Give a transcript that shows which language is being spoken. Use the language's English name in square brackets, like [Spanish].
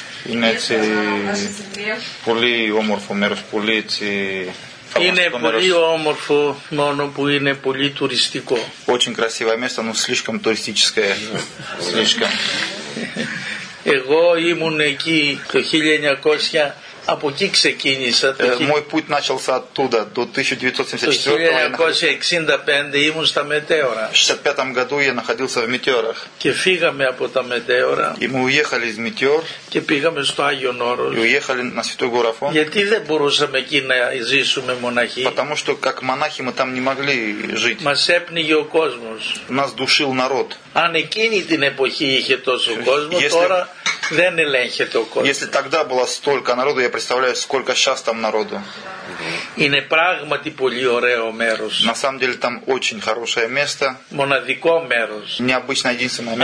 [Greek] Είναι έτσι πολύ όμορφο μέρος, πολύ έτσι... Είναι πολύ όμορφο, μόνο που είναι πολύ τουριστικό. [Russian] Очень красивое место, но слишком туристическое. Слишком. [Greek] Εγώ ήμουν εκεί το 1900, από εκεί ξεκίνησα. [Russian] Мой путь начался оттуда, до 1974. [Greek] Το 1965 ήμουν στα Μετέωρα. [Russian] В 65-м году я находился в Метеорах. [Greek] Και φύγαμε από τα Μετέωρα. [Russian] И мы уехали из Метеор. [Greek] Και πήγαμε στο Άγιον Όρος. [Russian] И уехали на Святой Горафон. [Greek] Γιατί δεν μπορούσαμε εκεί να ζήσουμε μοναχοί. [Russian] Потому что как монахи мы там не могли жить. [Greek] Μας έπνιγε ο κόσμος. [Russian] Нас душил народ. [Greek] Αν εκείνη την εποχή είχε τόσο κόσμο, τώρα δεν ελέγχεται ο κόσμος. [Russian] Если тогда было столько народу, я представляю, сколько сейчас там народу. [Greek] Είναι πράγματι πολύ ωραίο μέρος. [Russian] На самом деле там очень хорошее место. [Greek] Μοναδικό μέρος. [Russian] Необычно единственное место.